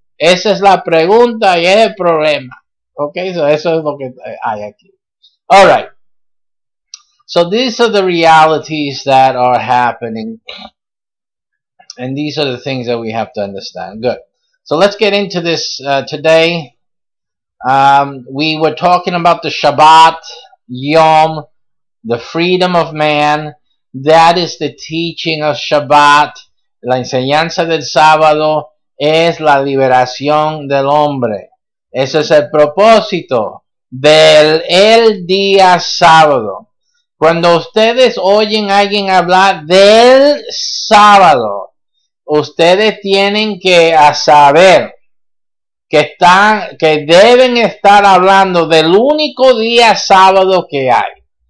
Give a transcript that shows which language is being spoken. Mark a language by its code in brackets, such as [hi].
[es] Esa es la pregunta y es el problema. [en] Okay, so [es] eso es lo que hay aquí. [en] Alright. So these are the realities that are happening. And these are the things that we have to understand. Good. So let's get into this today. We were talking about the Shabbat, Yom, the freedom of man. That is the teaching of Shabbat. [es] La enseñanza del sábado es la liberación del hombre. Ese es el propósito del el día sábado. Cuando ustedes oyen a alguien hablar del sábado, ustedes tienen que saber que deben estar hablando del único día sábado que hay.